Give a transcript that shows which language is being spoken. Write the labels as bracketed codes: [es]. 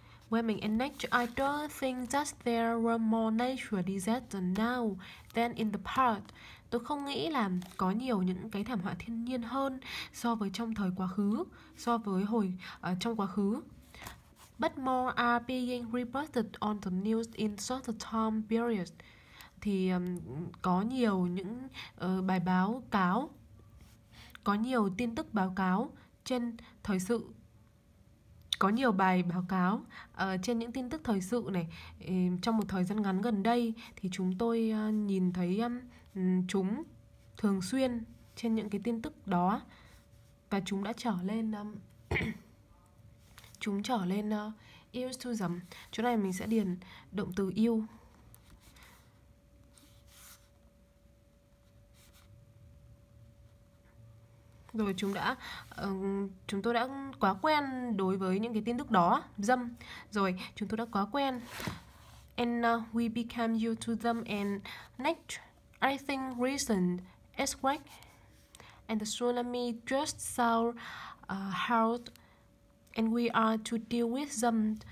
[en] Warming and nature. I don't think that there were more natural disasters now than in the past. [vi] Tôi không nghĩ là có nhiều những cái thảm họa thiên nhiên hơn so với trong thời quá khứ, so với hồi trong quá khứ. [en] But more are being reported on the news in shorter time periods. [vi] Thì có nhiều những bài báo cáo, có nhiều tin tức báo cáo trên thời sự. Có nhiều bài báo cáo trên những tin tức thời sự này trong một thời gian ngắn gần đây, thì chúng tôi nhìn thấy chúng thường xuyên trên những cái tin tức đó, và chúng đã trở lên chúng trở lên [en] used to them. [vi] Chỗ này mình sẽ điền động từ used. Rồi chúng tôi đã quá quen đối với những cái tin tức đó, dâm. Rồi chúng tôi đã quá quen. [en] And we became used to them. And next, I think recent earthquake and the tsunami just saw health and we are to deal with them.